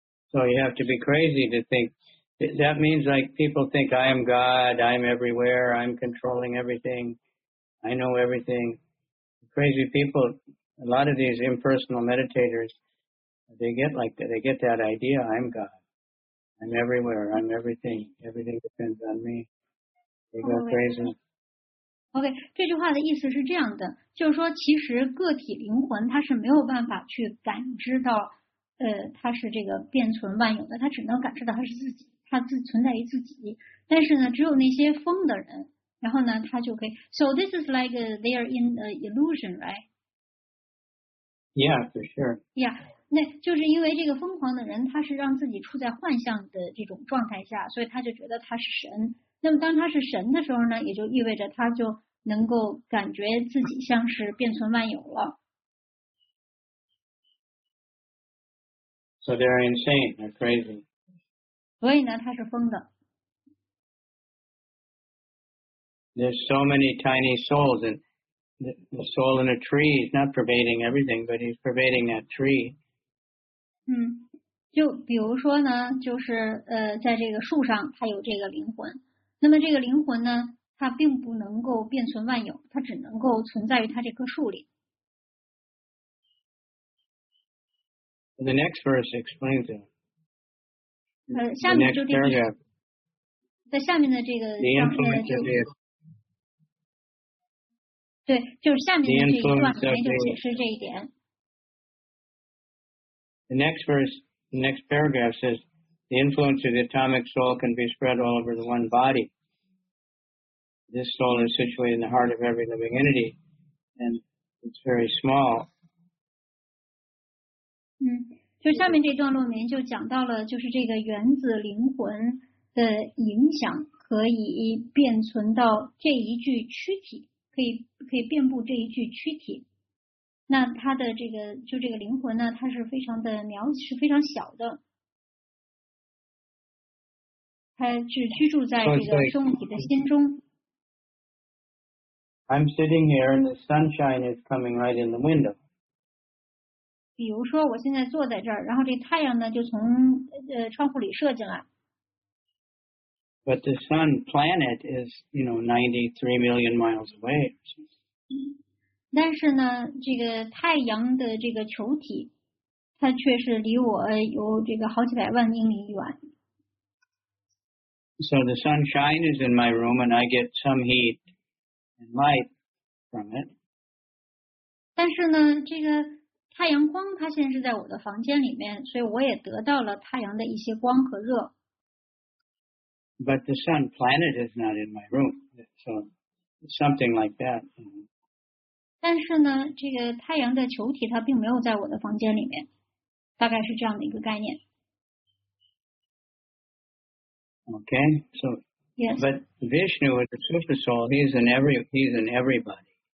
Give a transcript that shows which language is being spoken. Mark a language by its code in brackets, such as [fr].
[en] So you have to be crazy to think, that means like people think I am God, I'm everywhere, I'm controlling everything, I know everything. Crazy people, a lot of these impersonal meditators, they get like that, they get that idea, I'm God, I'm everywhere, I'm everything, everything depends on me. They go crazy. [zh] OK, 这句话的意思是这样的，就是说其实个体灵魂它是没有办法去感知到 它是这个变存万有的，它只能感知到它是自己，它自存在于自己。但是呢，只有那些疯的人，然后呢，他就可以。 [en] So this is like they are in the illusion, right? Yeah, for sure. [zh] Yeah, 那就是因为这个疯狂的人，他是让自己处在幻象的这种状态下，所以他就觉得他是神。那么当他是神的时候呢，也就意味着他就能够感觉自己像是变存万有了。 [en] So they're insane, they're crazy. [zh] 所以呢，他是疯的。There's [en] so many tiny souls, and the soul in a tree is not pervading everything, but he's pervading that tree. [zh] 就比如说呢，就是在这个树上，它有这个灵魂。那么这个灵魂呢，它并不能够变存万有，它只能够存在于它这棵树里。 [en] The next verse explains it. [zh] 下面就第一在下面的这个 [en] The influence of it. [zh] 对，就是下面的这一段里面就解释这一点。 [en] The next verse, the next paragraph says, the influence of the atomic soul can be spread all over the one body. This soul is situated in the heart of every living entity, and it's very small. [zh] 嗯，就下面这段落里面就讲到了，就是这个原子灵魂的影响可以变存到这一具躯体，可以遍布这一具躯体。那他的这个就这个灵魂呢，它是非常的渺，是非常小的，它只居住在这个生物体的心中。 [en] I'm sitting here and the sunshine is coming right in the window. [zh] 比如说我现在坐在这儿，然后这太阳呢就从窗户里射进来。 [en] But the sun planet is, you know, 93 million miles away. [zh] 但是呢，这个太阳的这个球体，它却是离我有这个好几百万英里远。 [en] So the sunshine is in my room and I get some heat. Light from it. [zh] 但是呢，这个太阳光它现在是在我的房间里面，所以我也得到了太阳的一些光和热。 [en] But the sun planet is not in my room, so something like that. [zh] 但是呢，这个太阳的球体它并没有在我的房间里面，大概是这样的一个概念。 [en] Okay, so. Yes. But Vishnu is a super soul. He's in everybody.